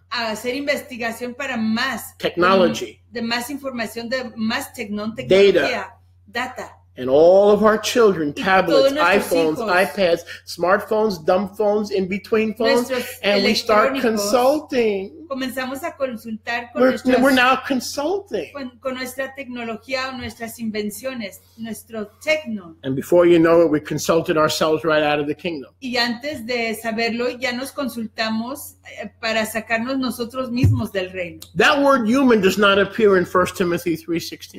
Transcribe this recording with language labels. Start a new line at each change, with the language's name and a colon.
Spanish: A hacer investigación para más.
English: Technology.
Spanish: De más información, de más technon, tecnología.
English: Data. And all of our children, tablets, iPhones, iPads, smartphones, dumb phones, in between phones, and we start consulting.
Spanish: Comenzamos a consultar con
English: we're now consulting.
Spanish: Con nuestra tecnología o nuestras invenciones, nuestro techno.
English: And before you know it, we consulted ourselves right out of the kingdom.
Spanish: Y antes de saberlo, ya nos consultamos para sacarnos nosotros mismos del reino.
English: That word human does not appear in 1 Timothy 3:16.